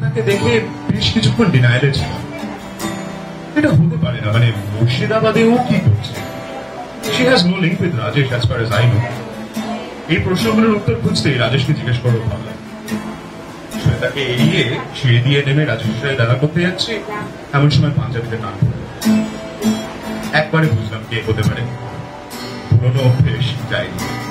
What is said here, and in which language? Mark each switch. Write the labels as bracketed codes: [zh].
[bn] দেখে বেশ কিছুক্ষণ ডিনায়ালে ছিল, এটা হতে পারে না, মানে মুর্শিদাবাদে ও কি করছে? [en] She has no link with Rajesh as far as I know. [bn] এই প্রশ্নগুলোর উত্তর খুঁজতে রাজেশকে জিজ্ঞেস করো ভাবলাম। শ্বেতাকে এড়িয়ে সে দিয়ে নেমে রাজেশের সাথে দেখা করতে যাচ্ছে, এমন সময় পাঞ্জাবিতে টান পড়ল। একবারে বুঝলাম কে হতে পারে, পুরনো অভ্যেস যায়নি।